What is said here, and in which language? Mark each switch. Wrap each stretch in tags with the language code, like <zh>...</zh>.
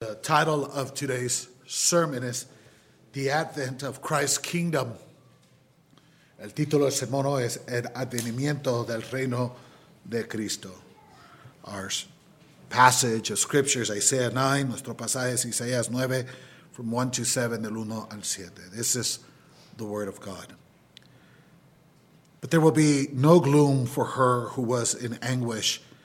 <en>The title of today's sermon is The Advent of Christ's Kingdom.</en> <es>El título del sermón es El Advenimiento del Reino de Cristo.</es> <en>Our passage of Scripture is Isaiah 9.</en> <es>Nuestro pasaje es Isaías 9,</es> <en>from 1 to 7,</en> <es>del 1 al 7.</es> <en>This is the Word of God. But there will be no gloom for her who was in anguish.</en>